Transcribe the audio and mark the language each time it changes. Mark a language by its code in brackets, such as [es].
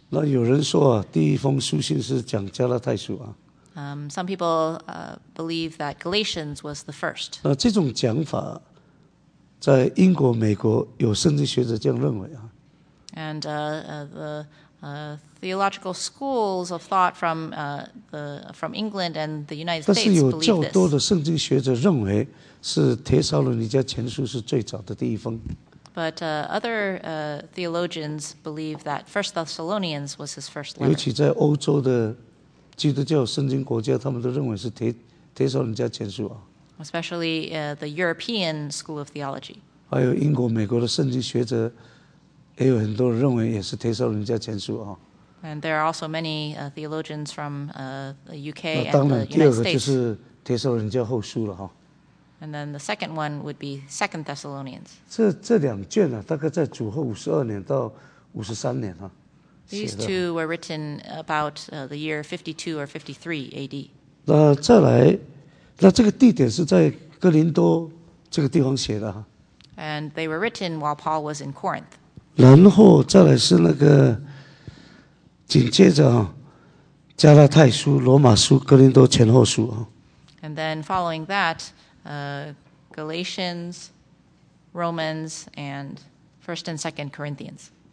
[zh] 那有人说啊，第一封书信是讲加拉太书啊。 [en] Some people believe that Galatians was the first。 [zh] 那这种讲法。在英国、美国有圣经学者这样认为啊。 [en] And the theological schools of thought from from England and the United States believe this. [zh] 但是有较多的圣经学者认为是《帖撒罗尼迦前书》是最早的第一封。 [en] But other theologians believe that First Thessalonians was his first letter. [zh] 尤其在欧洲的基督教圣经国家，他们都认为是《帖撒罗尼迦前书》啊。 [en] Especially the European school of theology. [zh] 还有英国、美国的圣经学者，也有很多人认为也是《帖撒罗尼迦前书》啊。 [en] And there are also many theologians from the UK and the United States. [zh] 那当然，第二个就是《帖撒罗尼迦前书》。 [en] And [zh] 帖撒罗尼迦后书了哈。 [en] And then the second one would be Second Thessalonians. [zh] 这两卷呢，大概在主后52年到53年哈。 [en] These two were written about the year 52 or 53 A.D. [zh] 那再来，那这个地点是在哥林多这个地方写的哈。 [en] And they were written while Paul was in Corinth. [zh] 然后再来是那个紧接着啊，加拉太书、罗马书、哥林多前后书啊。 [en] And then following that, Galatians, Romans, and 1st and 2nd Corinthians.